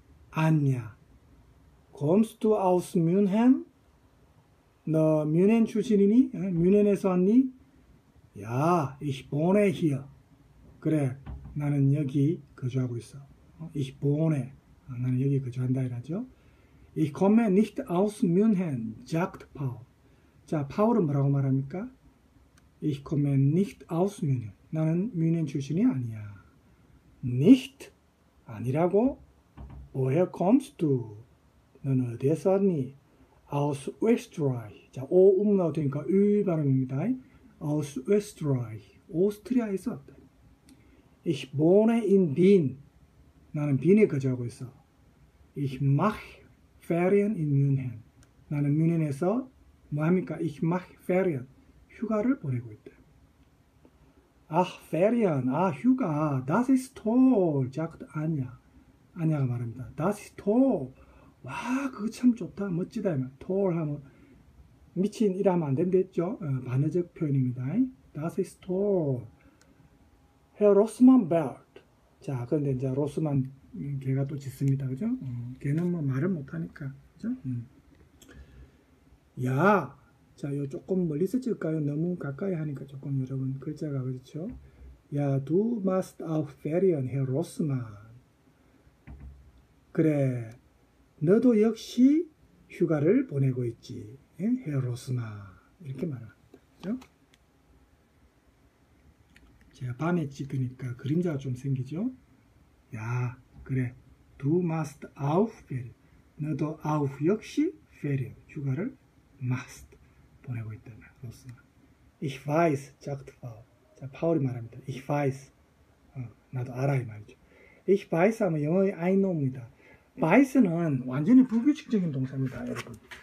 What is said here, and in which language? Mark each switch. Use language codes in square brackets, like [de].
[de] 아냐. Kommst du aus München? [ko] 너 뮌헨 출신이니? 뮌헨에서 왔니? 야, [de] ich wohne hier. [ko] 그래, 나는 여기 거주하고 있어. [de] Ich wohne. [ko] 나는 여기 거주한다 이라죠. [de] Ich komme nicht aus München, sagt Paul. [ko] 자, 파울은 뭐라고 말합니까? [de] Ich komme nicht aus München. [ko] 나는 뮌헨 출신이 아니야. [de] Nicht? [ko] 아니라고? [de] Woher kommst du? [ko] 너는 어디에서 왔니? [de] Aus Österreich. [ko] 자, 오 음나우트니까 으 발음입니다. [de] Aus Österreich. [ko] 오스트리아에서 왔다. [de] Ich wohne in Wien. [ko] 나는 빈에 거주하고 있어. [de] Ich mache Ferien in München. [ko] 나는 뮌헨에서 뭐합니까? [de] Ich mache Ferien. [ko] 휴가를 보내고 있다. [de] Ach, Ferien. [ko] 아, 휴가. [de] Das ist toll. [ko] 작도 아니야. 아니야가 말합니다. [de] Das ist toll. [ko] 와, 그거 참 좋다, 멋지다. Toll 하면 미친 이라면 안 된댔죠. 반어적 표현입니다. [de] Das ist toll. Herr Rossmann belt. [ko] 자, 그런데 이제 로스만 걔가 또 짖습니다, 그죠? 걔는 뭐 말을 못하니까, 그죠? 야, 자, 요 조금 멀리서 찍을까요? 너무 가까이 하니까 조금 여러분 글자가 그렇죠? [de] 야, du machst auf Ferien, Herr Rossmann. [ko] 그래. 너도 역시 휴가를 보내고 있지, 헤어 로스마 이렇게 말합니다. 그죠? 제가 밤에 찍으니까 그림자가 좀 생기죠? [de] 야, 그래. Du machst auf Ferien. [ko] 너도 auf 역시 Ferien. 휴가를 machst 보내고 있다며, 로스마. [de] Ich weiß, sagt Paul. [ko] 자, 파울이 말합니다. [de] Ich weiß. [ko] 나도 알아, 이 말이죠. Ich weiß 하면 영어의 [en] I know [ko] 입니다. 바이스는 완전히 불규칙적인 동사입니다, 여러분.